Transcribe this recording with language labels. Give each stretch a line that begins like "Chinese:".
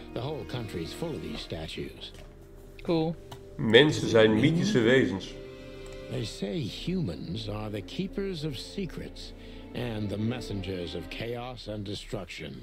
English: The whole country is full of these statues. Cool.
Dutch: Mensen zijn mythische wezens.
English: They say humans are the keepers of secrets and the messengers of chaos and destruction.